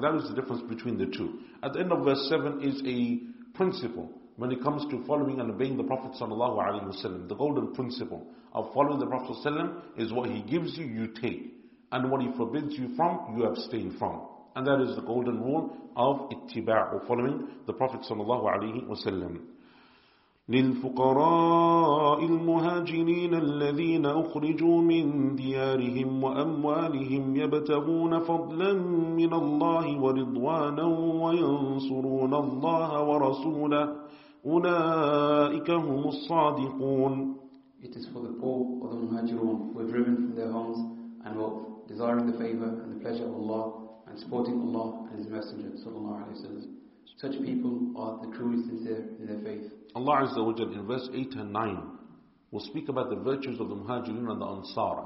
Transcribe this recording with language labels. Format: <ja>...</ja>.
<en>That is the difference between the two. At the end of verse 7 is a principle when it comes to following and obeying the Prophet ﷺ. The golden principle of following the Prophet ﷺ is what he gives you, you take. And what he forbids you from, you abstain from. And that is the golden rule of ittiba', or following the Prophet ﷺ.</en> <ar>للفقراء المهاجرين الذين أخرجوا من ديارهم وأموالهم يبتغون فضلا من الله ورضوانا وينصرون الله ورسوله أولئك هم الصادقون.</ar> <en>It is for the poor or the muhajirun who are driven from their homes and wealth, desiring the favor and the pleasure of Allah and supporting Allah and His Messenger صلى الله عليه وسلم. Such people are the truly sincere in their faith. Allah Azza wa Jal in verse 8 and 9 will speak about the virtues of the Muhajirin and the Ansar.</en>